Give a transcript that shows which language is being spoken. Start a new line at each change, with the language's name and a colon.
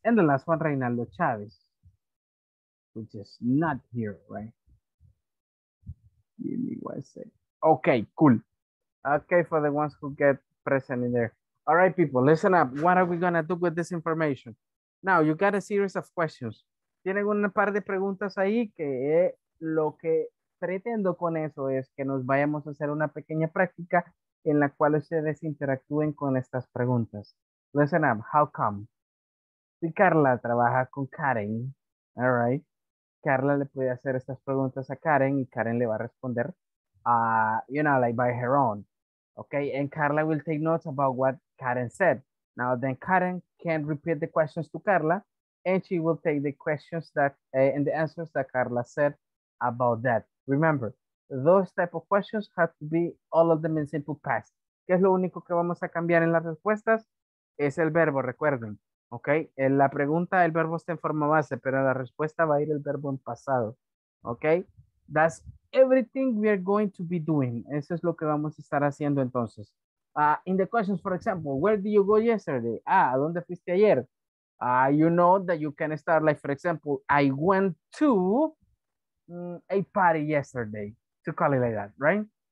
English: And the last one, Reinaldo Chavez, which is not here, right? Give me one sec. Okay, cool. Okay, for the ones who get present in there. All right, people, listen up. What are we going to do with this information? Now, you got a series of questions.
Spanish: Tienen un par de preguntas ahí que lo que pretendo con eso es que nos vayamos a hacer una pequeña práctica en la cual ustedes interactúen con estas preguntas.
English: Listen up, how come?
Spanish: Si Carla trabaja con Karen, all right, Carla le puede hacer estas preguntas a Karen y Karen le va a responder,
English: you know, like by her own, okay? And Carla will take notes about what Karen said. Now then Karen can repeat the questions to Carla and she will take the questions that and the answers that Carla said about that. Remember, those type of questions have to be all of them in simple past.
Spanish: ¿Qué es lo único que vamos a cambiar en las respuestas? Es el verbo, recuerden. Ok, en la pregunta el verbo está en forma base, pero en la respuesta va a ir el verbo en pasado.
English: Ok, that's everything we are going to be doing.
Spanish: Eso es lo que vamos a estar haciendo entonces.
English: In the questions, for example, where did you go yesterday?
Spanish: Ah, ¿a dónde fuiste ayer?
English: You know that you can start like, for example, I went to a party yesterday, to call it like that, right?